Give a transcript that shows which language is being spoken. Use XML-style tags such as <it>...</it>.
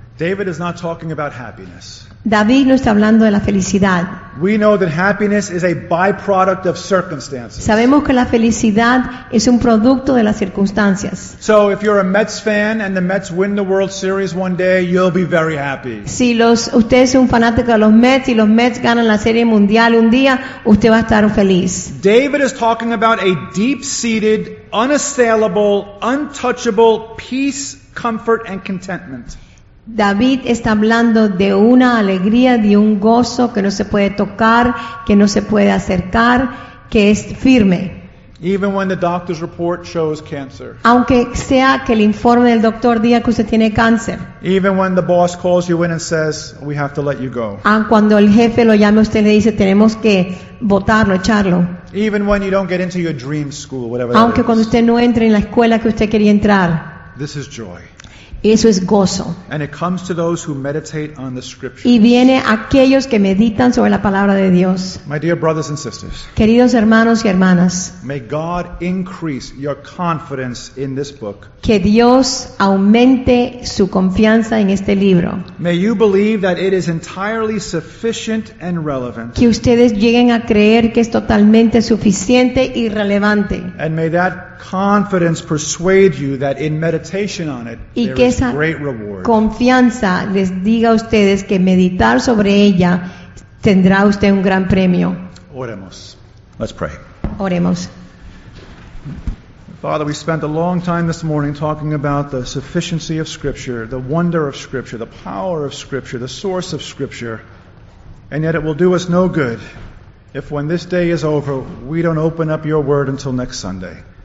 <en>David is not talking about happiness.</en> <es>David no está hablando de la felicidad.</es> <en>We know that happiness is a byproduct of circumstances.</en> <es>Sabemos que la felicidad es un producto de las circunstancias.</es> <en>So if you're a Mets fan and the Mets win the World Series one day, you'll be very happy.</en> <es>Si usted es un fanático de los Mets y los Mets ganan la Serie Mundial un día, usted va a estar feliz.</es> <en>David is talking about a deep-seated, unassailable, untouchable peace, comfort, and contentment.</en> <es>David está hablando de una alegría, de un gozo que no se puede tocar, que no se puede acercar, que es firme.</es> <en>Even when the doctor's report shows cancer.</en> <es>Aunque sea que el informe del doctor diga que usted tiene cáncer.</es> <en>Even when the boss calls you in and says, we have to let you go.</en> <es>Aunque cuando el jefe lo llame, usted le dice, tenemos que botarlo, echarlo.</es> <en>Even when you don't get into your dream school, whatever.</en> <es>Aunque cuando usted no entre en la escuela que usted quería entrar.</es> <en>This is joy.</en> <es>Eso es gozo.</es> <en>And it comes to those who meditate on the scriptures.</en> <es>Y viene a aquellos que meditan sobre la palabra de Dios.</es> <en>My dear brothers and sisters.</en> <es>Queridos hermanos y hermanas.</es> <en>May God increase your confidence in this book.</en> <es>Que Dios aumente su confianza en este libro.</es> <en>May you believe that it is entirely sufficient and relevant.</en> <es>Que ustedes lleguen a creer que es totalmente suficiente y relevante.</es> <en>And may that confidence persuade you that in meditation on it there is great reward.</en> <es>Confianza les diga a ustedes que meditar sobre ella tendrá usted un gran premio. Oremos.</es> <en>Let's pray.</en> <es>Oremos.</es> <en>Father, we spent a long time this morning talking about the sufficiency of Scripture, the wonder of Scripture, the power of Scripture, the source of Scripture, and yet it will do us no good if when this day is over we don't open up your word until next Sunday.</en>